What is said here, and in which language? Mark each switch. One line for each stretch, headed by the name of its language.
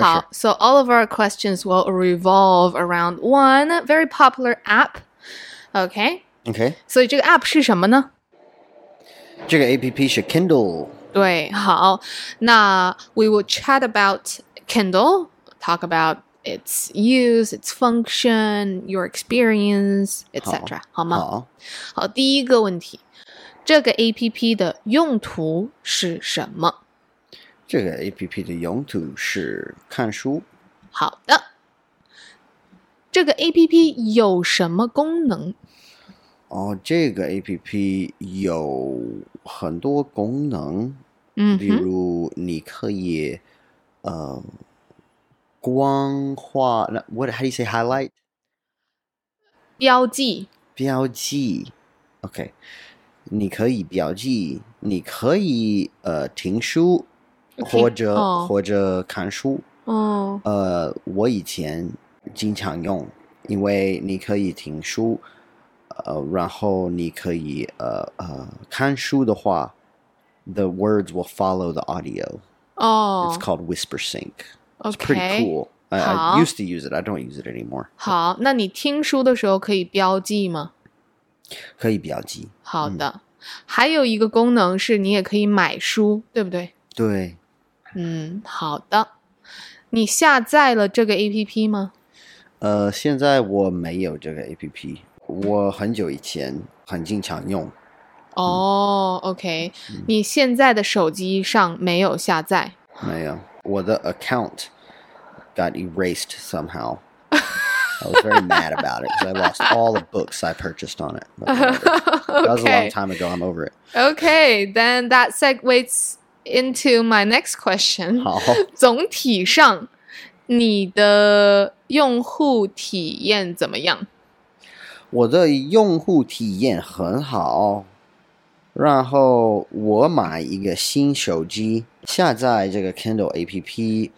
English: 好 so all of our questions will revolve around one very popular app. Okay? Okay.
Chinese: 所以这个 app 是什么呢？这个 app 是 Kindle. 对，好。
English: 那 we will chat about Kindle, talk about its use, its function, your experience, etc.
Chinese: 好吗？好。好，第一个问题，这个 app 的用途是什么？这个 APP 的用途是看书。好的。这个 APP 有什么功能？哦，这个 APP 有很多功能。嗯，
English: 比如你可以，光化。 What? How do you say highlight?
Chinese: 标记。标记。OK。 你可以标记。你可以停书。
English: Okay,
Chinese: 或者看书、
English: oh.
Chinese: 我以前经常用因为你可以听书、然后你可以、看书的话 the words will follow the audio、
English: oh. it's called whisper sync、 okay. it's pretty cool I used to use it, I don't use it anymore
Chinese: 好那你听书的时候可以标记吗可以标记好的、嗯、还有一个功能是你也可以买书对不对对嗯，好的。你下载了这个 APP 吗？现在我没有这个 APP。我很久以前很经常用。哦、OK、嗯。你现在的手机上没有下载？
English: 没有，我的 account got erased somehow. I was very mad about it because I lost all the books I purchased on it. Okay. That was a long time ago. I'm over it. Okay, then that segues. Into my next question.
Chinese: 好。总体上，你的用户体验怎么样？我的用户体验很好。然后我买一个新手机，下载这个 Kindle APP。